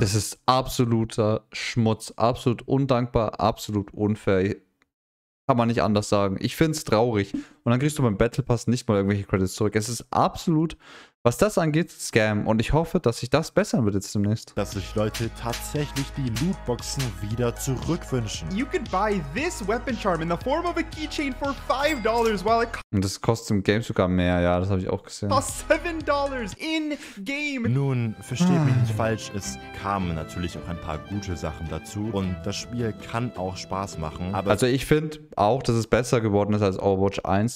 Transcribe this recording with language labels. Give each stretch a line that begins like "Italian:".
German: Das ist absoluter Schmutz. Absolut undankbar, absolut unfair. Kann man nicht anders sagen. Ich finde es traurig. Und dann kriegst du beim Battle Pass nicht mal irgendwelche Credits zurück. Es ist absolut, was das angeht, Scam. Und ich hoffe, dass sich das bessern wird jetzt demnächst. Dass sich Leute tatsächlich die Lootboxen wieder zurückwünschen.
English: You can buy this weapon charm in the form of a keychain for $5 while it costs...
German: Und das kostet im Game sogar mehr. Ja, das habe ich auch gesehen.
English: Cost $7 in game.
German: Nun, versteht mich nicht falsch. Es kamen natürlich auch ein paar gute Sachen dazu. Und das Spiel kann auch Spaß machen. Aber also ich finde auch, dass es besser geworden ist als Overwatch 1.